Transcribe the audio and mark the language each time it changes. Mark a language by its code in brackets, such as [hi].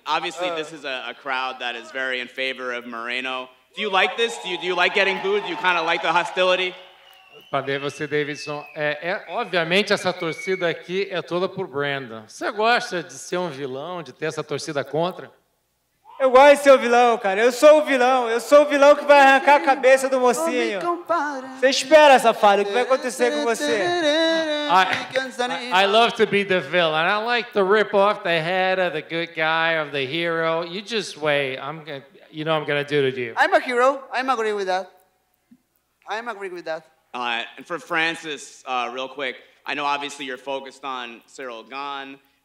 [en] Obviously, this is a crowd that is very in favor of Moreno. Do you like this? Do you like getting booed? Do you kind of like the hostility? [pt] Cadê você, Davidson? Obviamente, essa torcida aqui é toda por Brandon. Você gosta de ser vilão, de ter essa torcida contra? Eu gosto de ser vilão, cara. Eu sou o vilão. Eu sou o vilão que vai arrancar a cabeça do mocinho. Você espera, safado. O que vai acontecer com você? [en] I love to be the villain. I like to rip off the head of the good guy, of the hero. You just wait. You know what I'm going to do to you. I'm a hero. I'm agreeing with that. And for Francis, real quick, I know obviously you're focused on Ciryl Gane.